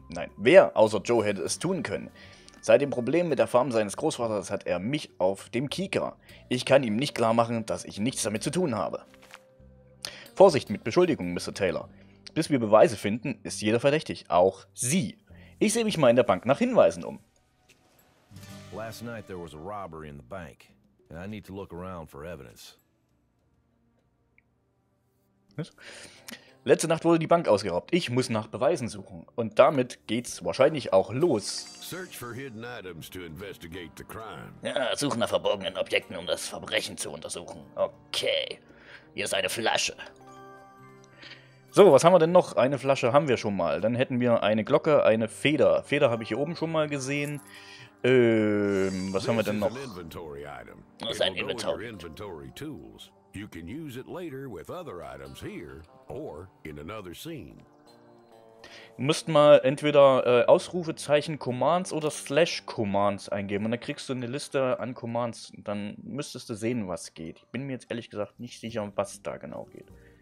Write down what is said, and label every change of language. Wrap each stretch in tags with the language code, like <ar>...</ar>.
<de>Nein, wer außer Joe hätte es tun können? Seit dem Problem mit der Farm seines Großvaters hat er mich auf dem Kieker. Ich kann ihm nicht klar machen, dass ich nichts damit zu tun habe. Vorsicht mit Beschuldigungen, Mr. Taylor. Bis wir Beweise finden, ist jeder verdächtig, auch Sie. Ich sehe mich mal in der Bank nach Hinweisen um.</de> <en>Last night there was a robbery in the bank, and I need to look around for evidence.</en> <de>Letzte Nacht wurde die Bank ausgeraubt. Ich muss nach Beweisen suchen. Und damit geht's wahrscheinlich auch los.</de> <en>Search for hidden items to investigate the crime.</en> <de>Ja, such nach verborgenen Objekten, um das Verbrechen zu untersuchen. Okay. Hier ist eine Flasche. So, was haben wir denn noch? Eine Flasche haben wir schon mal. Dann hätten wir eine Glocke, eine Feder. Feder habe ich hier oben schon mal gesehen. Was haben wir denn noch? Das ist ein Inventory.</de> <en>You can use it later with other items here or in another scene.</en> <de>Du musst mal entweder Ausrufezeichen Commands oder Slash Commands eingeben und dann kriegst du eine Liste an Commands. Dann müsstest du sehen, was geht. Ich bin mir jetzt ehrlich gesagt nicht sicher, was da genau geht.</de>